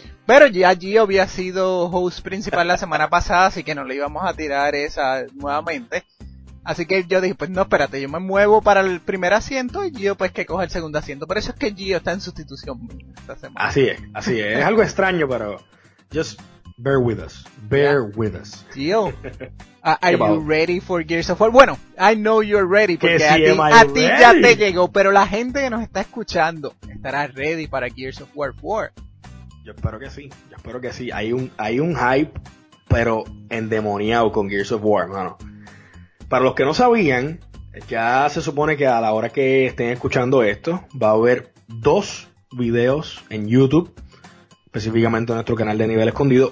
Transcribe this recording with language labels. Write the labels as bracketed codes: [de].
[es] Pero ya Gio había sido host principal la semana pasada, así que no le íbamos a tirar esa nuevamente. Así que yo dije, pues no, espérate, yo me muevo para el primer asiento y Gio pues que coja el segundo asiento. Por eso es que Gio está en sustitución esta semana. Así es, es algo extraño, pero [en] just bear with us, Gio, are you ready for Gears of War? [es] Bueno, [en] I know you're ready, [es] porque a ti ya te llegó, pero la gente que nos está escuchando estará ready para Gears of War 4. Yo espero que sí, hay un hype, pero endemoniado con Gears of War, mano. Para los que no sabían, ya se supone que a la hora que estén escuchando esto, va a haber dos videos en YouTube, específicamente en nuestro canal de Nivel Escondido.